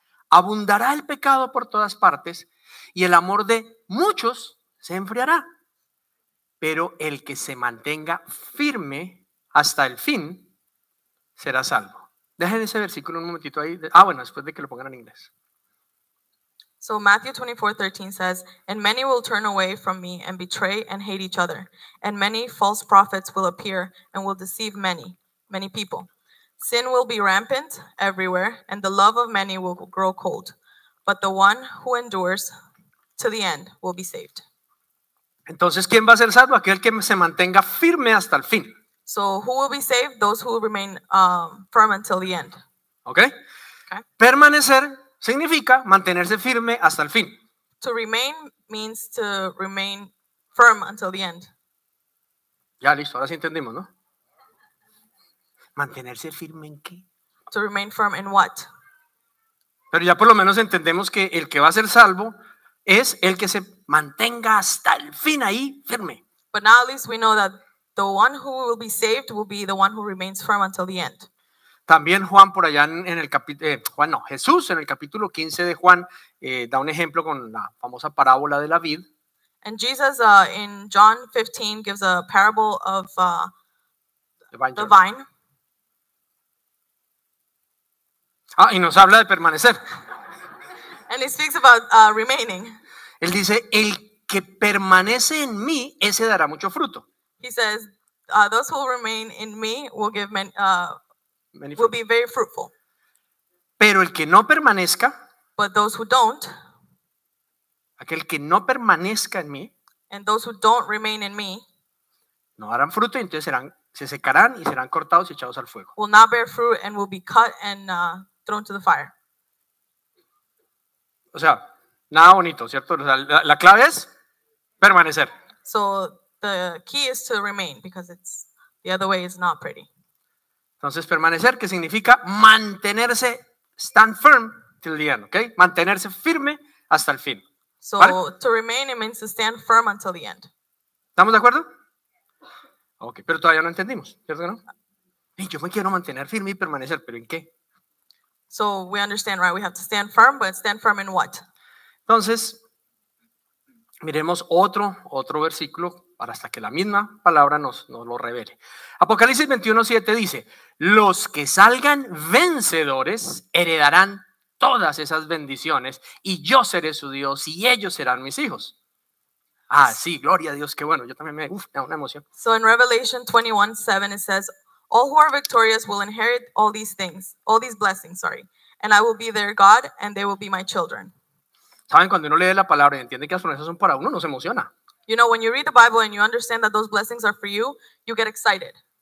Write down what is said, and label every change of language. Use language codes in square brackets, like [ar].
[es] Abundará el pecado por todas partes y el amor de muchos se enfriará, pero el que se mantenga firme hasta el fin será salvo. Dejen ese versículo un momentito ahí. Ah, bueno, después de que lo pongan en inglés. [en] So Matthew 24:13 says, "And many will turn away from me and betray and hate each other. And many false prophets will appear and will deceive many, many people. Sin will be rampant everywhere and the love of many will grow cold. But the one who endures to the end will be saved." [es] Entonces, ¿quién va a ser salvo? Aquel que se mantenga firme hasta el fin. [en] So, who will be saved? Those who will remain firm until the end. [es] Okay. Permanecer significa mantenerse firme hasta el fin. [en] To remain means to remain firm until the end. [es] Ya, listo. Ahora sí entendimos, ¿no? ¿Mantenerse firme en qué? [en] To remain firm in what? [es] Pero ya por lo menos entendemos que el que va a ser salvo es el que se mantenga hasta el fin ahí firme. [en] But now at least we know that the one who will be saved will be the one who remains firm until the end. [es] También Juan por allá en el capítulo, Juan no, Jesús en el capítulo 15 de Juan da un ejemplo con la famosa parábola de la vid. [en] And Jesus in John 15 gives a parable of the vine. [es] Ah, y nos habla de permanecer. [en] And he speaks about remaining. [es] Él dice, el que permanece en mí, ese dará mucho fruto. [en] He says, those who remain in me will give many will be very fruitful. [es] Pero el que no permanezca, [en] but those who don't, [es] aquel que no permanezca en mí, [en] and those who don't remain in me, [es] no darán fruto y entonces serán, se secarán y serán cortados y echados al fuego. [en] Will not bear fruit and will be cut and thrown to the fire. [es] O sea, nada bonito, ¿cierto? O sea, la clave es permanecer. [en] So the key is to remain because it's the other way is not pretty. [es] Entonces, permanecer, que significa mantenerse, [en] stand firm till the end, [es] ¿okay? Mantenerse firme hasta el fin. So ¿vale? [en] To remain, it means to stand firm until the end. [es] ¿Estamos de acuerdo? Ok, pero todavía no entendimos, ¿cierto que no? Hey, yo me quiero mantener firme y permanecer, ¿pero en qué? [en] So we understand, right? We have to stand firm, but stand firm in what? [es] Entonces, miremos otro versículo para hasta que la misma palabra nos lo revele. Apocalipsis 21:7 dice, los que salgan vencedores heredarán todas esas bendiciones y yo seré su Dios y ellos serán mis hijos. Ah, sí, gloria a Dios, qué bueno. Yo también me da una emoción. [en] So in Revelation 21:7 it says, all who are victorious will inherit all these things, all these blessings, sorry. And I will be their God and they will be my children. [es] ¿Saben? Cuando uno lee la palabra y entiende que las promesas son para uno, uno se emociona. [en] You know, when you read the Bible and you understand that those blessings are for you, you get excited.